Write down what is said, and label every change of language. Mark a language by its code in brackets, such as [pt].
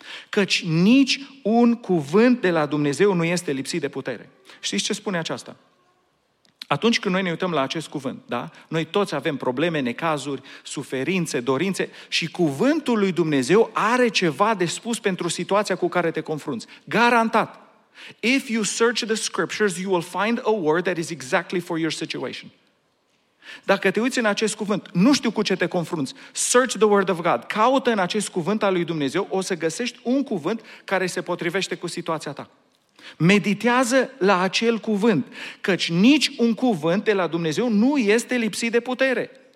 [ro] Căci nici un cuvânt de la Dumnezeu nu este lipsit de putere. Știți ce spune aceasta? Atunci când noi ne uităm la acest cuvânt, da? Noi toți avem probleme, necazuri, suferințe, dorințe și cuvântul lui Dumnezeu are ceva de spus pentru situația cu care te confrunți. Garantat! [en] If you search the scriptures, you will find a word that is exactly for your situation. [ro] Dacă te uiți în acest cuvânt, nu știu cu ce te confrunți, [en] search the word of God, [ro] caută în acest cuvânt al lui Dumnezeu, o să găsești un cuvânt care se potrivește cu situația ta. Meditează la acel cuvânt, căci nici un cuvânt de la Dumnezeu nu este lipsit de putere.